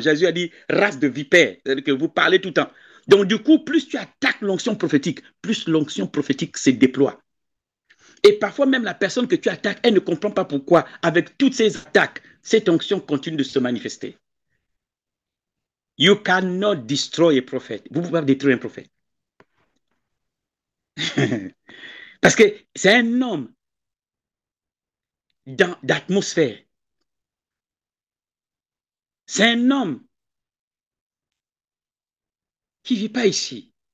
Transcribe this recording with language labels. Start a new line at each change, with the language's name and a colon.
French: Jésus a dit, race de vipère, c'est-à-dire que vous parlez tout le temps. Donc, du coup, plus tu attaques l'onction prophétique, plus l'onction prophétique se déploie. Et parfois, même la personne que tu attaques, elle ne comprend pas pourquoi, avec toutes ces attaques, cette onction continue de se manifester.
English: You cannot destroy a prophet.
French: Vous ne pouvez pas détruire un prophète. Parce que c'est un homme d'atmosphère. C'est un homme qui ne vit pas ici.